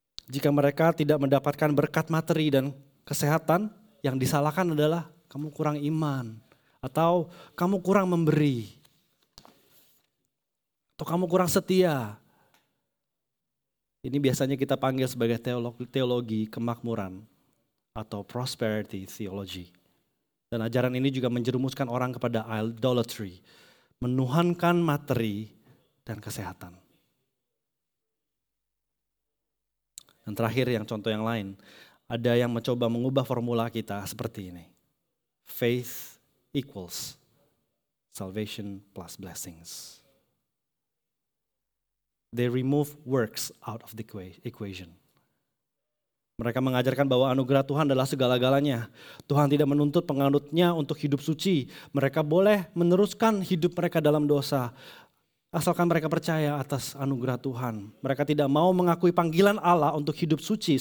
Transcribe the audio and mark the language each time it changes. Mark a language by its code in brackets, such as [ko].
[id] Jika mereka tidak mendapatkan berkat materi dan kesehatan, yang disalahkan adalah kamu kurang iman. Atau kamu kurang memberi. Atau kamu kurang setia. Ini biasanya kita panggil sebagai teologi kemakmuran. [en] Atau prosperity theology. [id] Dan ajaran ini juga menjerumuskan orang kepada idolatry. Menuhankan materi dan kesehatan. Dan terakhir yang contoh yang lain. Ada yang mencoba mengubah formula kita seperti ini. [en] Faith equals salvation plus blessings. They remove works out of the equation. [id] Mereka mengajarkan bahwa anugerah Tuhan adalah segala-galanya. Tuhan tidak menuntut penganutnya untuk hidup suci. Mereka boleh meneruskan hidup mereka dalam dosa. Asalkan mereka percaya atas anugerah Tuhan. Mereka tidak mau mengakui panggilan Allah untuk hidup suci.